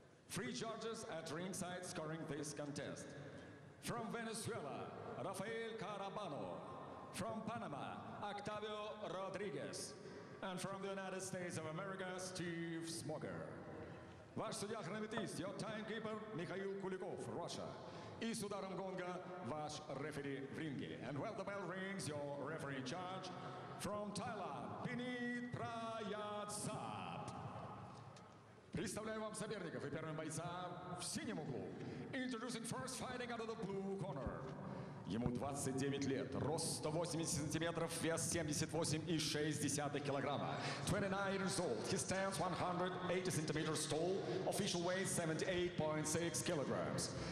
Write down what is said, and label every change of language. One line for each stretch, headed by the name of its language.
English: Three judges at ringside scoring this contest. From Venezuela, Rafael Carabano. From Panama, Octavio Rodriguez. And from the United States of America, Steve Smoker.
Russian: Ваш судья хронометист,
English: your timekeeper,
Russian: Михаил Куликов, Russia. И с ударом гонга, ваш рефери в ринге.
English: And while the bell rings, your referee in charge. From Thailand, Pinit Prayatsab.
Russian: Представляю вам соперников и первого бойца в синем углу.
English: Introducing first fighting out of the blue corner.
Russian: Ему 29 лет, рост 180 сантиметров, вес 78,6 килограмма.
English: 29 years old, he stands 180 centimeters tall, official weight 78.6 kilograms.